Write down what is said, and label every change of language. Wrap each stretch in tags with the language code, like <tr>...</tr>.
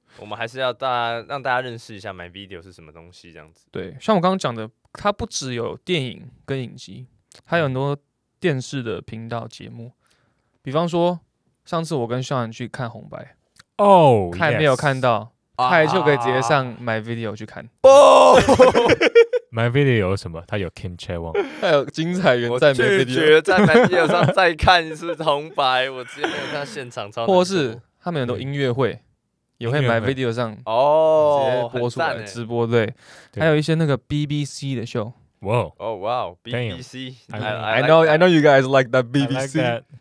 <zh>我们还是要让大家认识一下 MyVideo 是什么东西，这样子。对，像我刚刚讲的，它不只有电影跟影集，还有很多电视的频道节目。比方说，上次我跟Sean去看红白，哦，凯没有看到，凯就可以直接上 MyVideo 去看。不、，MyVideo 有什么？他有 Kim Chae Wong，他有精彩原在 MyVideo，我拒绝在 MyVideo 上再看一次红白，我直接没有看现场超难过。或是他们很多音乐会也会 MyVideo 上哦播出来直播，对，还有一些那个 BBC 的秀。哇哦，哇哦 ，BBC， I</zh> <en>know you guys like that BBC。</en>